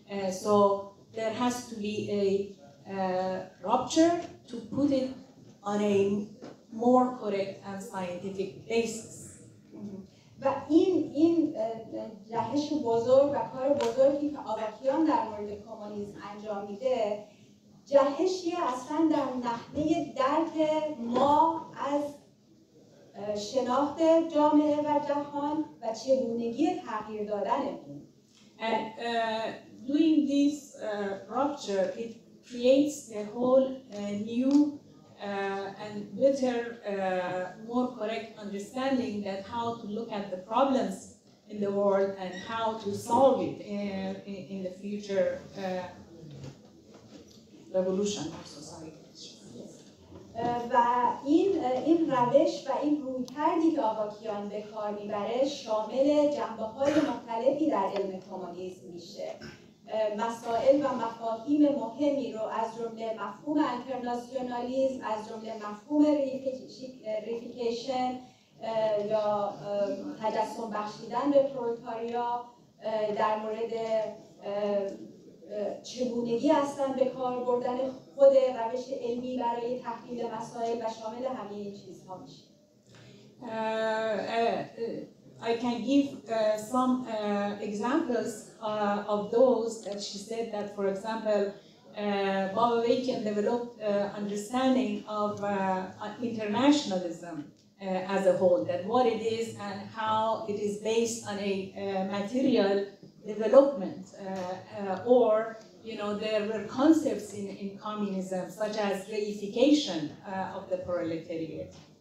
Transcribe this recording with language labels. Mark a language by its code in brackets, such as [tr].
[en] So there has to be a rupture to put it on a more correct and scientific basis. [fa] و این جهش بزرگ و کار بزرگی که آواکیان در مورد کمونیسم انجام میده، جهشی اصلا در نحوه درک ما از شناخت جامعه و جهان و چگونگی تغییر دادن اون. [en] And doing this rupture, it creates a whole new and better, more correct understanding that how to look at the problems in the world and how to solve it in the future revolution of society. [fa] و این روش و این رویکردی که آواکیان به کار میبره شامل جنبه‌های مختلفی در علم کمونیسم میشه. مسائل و مفاهیم مهمی رو از جمله مفهوم انترناسیونالیسم، از جمله مفهوم ریفیکیشن یا تجسم بخشیدن به پرولتاریا، در مورد چگونگی اصلا به کار بردن خود روش علمی برای تحلیل مسائل و شامل همه این چیزها میشه. [en] I can give some examples of those that she said that, for example, Bob Avakian developed understanding of internationalism as a whole, that what it is and how it is based on a material development, or you know, there were concepts in communism such as reification of the proletariat.